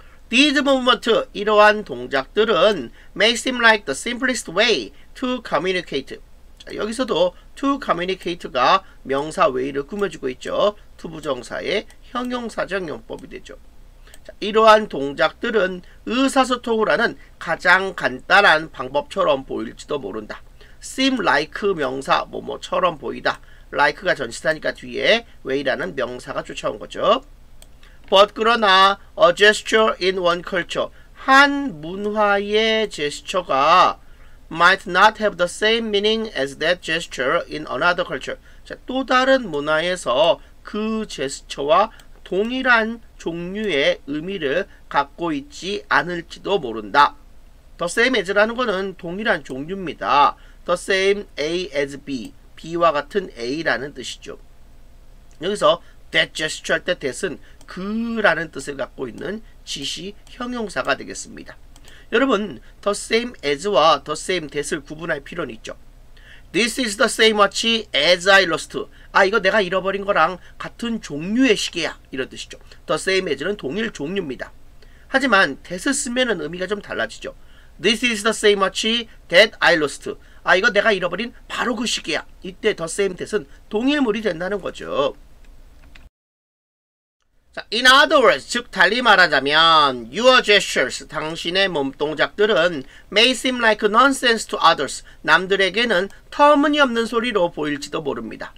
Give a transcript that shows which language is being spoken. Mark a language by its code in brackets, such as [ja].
[en] These movements, [ko] 이러한 동작들은 [en] may seem like the simplest way to communicate. [ko] 자, 여기서도 [en] to communicate [ko] 가 명사 way를 꾸며주고 있죠. to 부정사의 형용사적 용법이 되죠. 자, 이러한 동작들은 의사소통을 하는 가장 간단한 방법처럼 보일지도 모른다. seem like 명사 뭐뭐처럼 보이다. like가 전치사니까 뒤에 way라는 명사가 쫓아온 거죠. [en] But 그러나 a gesture in one culture, [ko] 한 문화의 gesture가 [en] might not have the same meaning as that gesture in another culture. [ko] 자, 또 다른 문화에서 그 gesture와 동일한 종류의 의미를 갖고 있지 않을지도 모른다. The same as라는 것은 동일한 종류입니다. The same A as B, B와 같은 A라는 뜻이죠. 여기서 that gesture 할 때 that은 그라는 뜻을 갖고 있는 지시 형용사가 되겠습니다. 여러분, the same as와 the same that을 구분할 필요는 있죠. [en] This is the same watch as I lost. [ko] 아, 이거 내가 잃어버린 거랑 같은 종류의 시계야. 이런 뜻이죠. The same as는 동일 종류입니다. 하지만 that을 쓰면 의미가 좀 달라지죠. [en] This is the same watch that I lost. [ko] 아, 이거 내가 잃어버린 바로 그 시계야. 이때 the same that은 동일물이 된다는 거죠. [en] In other words, [ko] 즉 달리 말하자면 your gestures, 당신의 몸동작들은 may seem like nonsense to others, 남들에게는 터무니없는 소리로 보일지도 모릅니다.